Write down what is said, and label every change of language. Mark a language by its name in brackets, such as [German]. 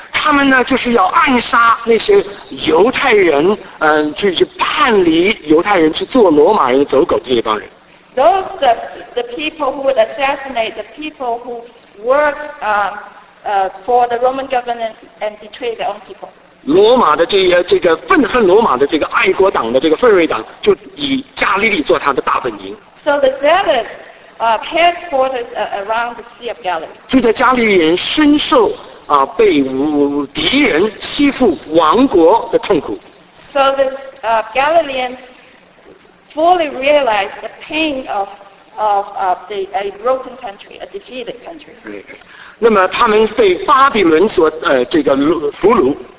[Chinese] 他们呢就是要暗杀那些犹太人，就是叛离犹太人去做罗马人走狗这一帮人。 [English] Those the people who would assassinate the people who worked for the Roman government and betray their own people. [Chinese] 罗马的这个愤恨罗马的这个爱国党的这个奋锐党，就以加利利做他的大本营。 [English] So the zealots headquarters around the Sea of Galilee. [Chinese] 就在加利利人深受被敌人欺负亡国的痛苦。 [English] So the Galileans. Fully realize the pain of a broken country, a defeated country. [Chinese] 那么他们被巴比伦所这个俘虏。